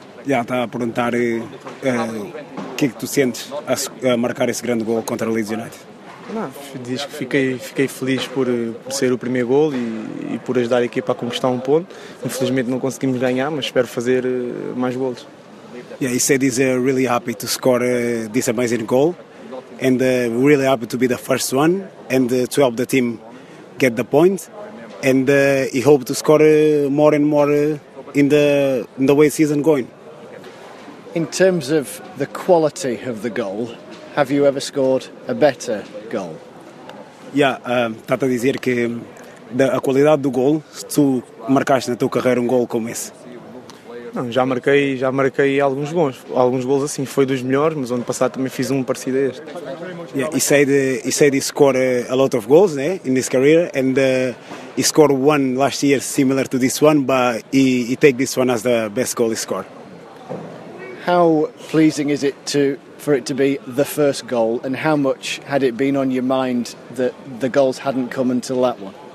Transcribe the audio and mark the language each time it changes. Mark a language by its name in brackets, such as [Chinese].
[Portuguese] Já está a perguntar o que tu sentes a marcar esse grande gol contra o Leeds United. Não, diz que fiquei feliz por ser o primeiro gol e por ajudar a equipa a conquistar um ponto. Infelizmente não conseguimos ganhar, mas espero fazer mais gols. [English] Yeah, he said he's really happy to score this amazing goal and really happy to be the first one and to help the team get the point. And he hopes to score more and more in the way the season going. In terms of the quality of the goal, have you ever scored a better goal? [Portuguese] Yeah, está-te a dizer que a qualidade do gol, se tu marcaste na tua carreira um gol como esse. Não, já marquei alguns gols assim, foi dos melhores, mas ano passado também fiz um parecido a este. [English] Yeah, he said he scored a lot of goals, né, in his career, and he scored one last year similar to this one, but he take this one as the best goal he scored. How pleasing is it for it to be the first goal, and how much had it been on your mind that the goals hadn't come until that one?